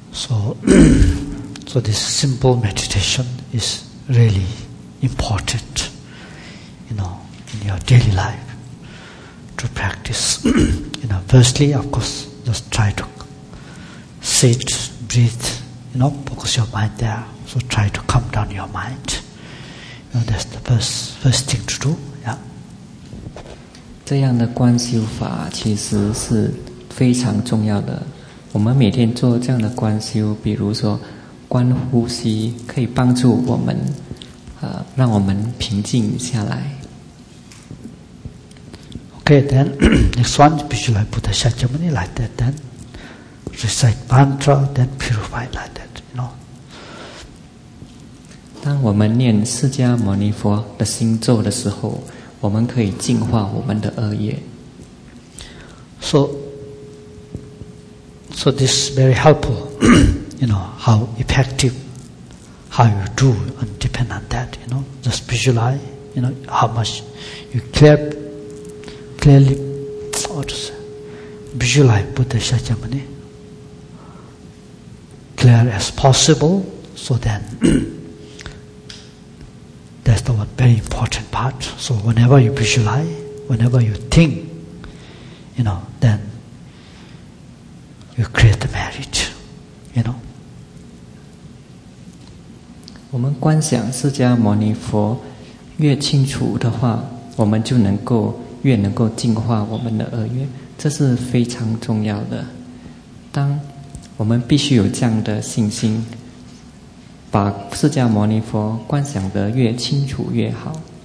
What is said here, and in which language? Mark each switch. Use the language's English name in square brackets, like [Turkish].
[English] So this simple meditation is really important, you know, in your daily life to practice. You know, firstly, of course, just try to sit, breathe, you know, focus your mind there. So try to calm down your mind. You know, that's the first thing to do. Yeah. [Chinese] 这样的观修法其实是非常重要的。我们每天做这样的观修，比如说观呼吸，可以帮助我们，让我们平静下来。 [English] Okay, then next one, Visualize Buddha Shakyamuni like that. Then recite mantra, then purify like that. You know. [Chinese] 当我们念释迦牟尼佛的心咒的时候，我们可以净化我们的恶业。 [English] So this is very helpful, you know, how effective, how you do, and depend on that, you know, just visualize, you know, how much you clearly, how to say, visualize Buddha Shakyamuni, clear as possible, so then, that's the one very important part. So whenever you visualize, whenever you think, you know, then,You create the merit, you know. [Chinese] 我们观想释迦牟尼佛越清楚的话，我们就能够越能够净化我们的恶业，这是非常重要的。当我们必须有这样的信心，把释迦牟尼佛观想得越清楚越好。